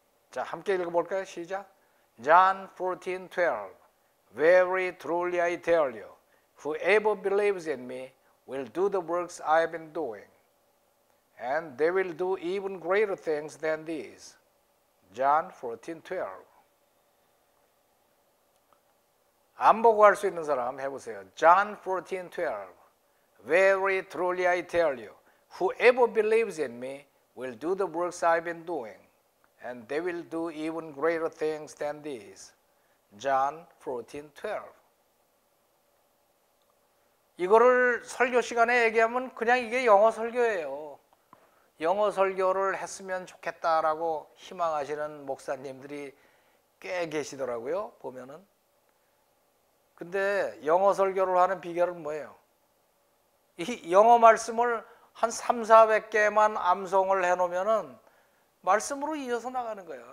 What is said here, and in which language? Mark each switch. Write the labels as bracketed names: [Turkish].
[Korean] 자, 함께 읽어볼까요? 시작. [English] John 14:12. Very truly I tell you, whoever believes in me will do the works I have been doing, and they will do even greater things than these. John 14:12. [Korean] 안 보고 할 수 있는 사람 해보세요. [English] John 14:12. Very truly I tell you, whoever believes in me will do the works I've been doing, and they will do even greater things than these. John 14:12. [Korean] 이거를 설교 시간에 얘기하면 그냥 이게 영어 설교예요. 영어 설교를 했으면 좋겠다라고 희망하시는 목사님들이 꽤 계시더라고요. 보면은. 근데 영어 설교를 하는 비결은 뭐예요? 이 영어 말씀을 한 3, 400개만 암송을 해놓으면은 말씀으로 이어서 나가는 거야.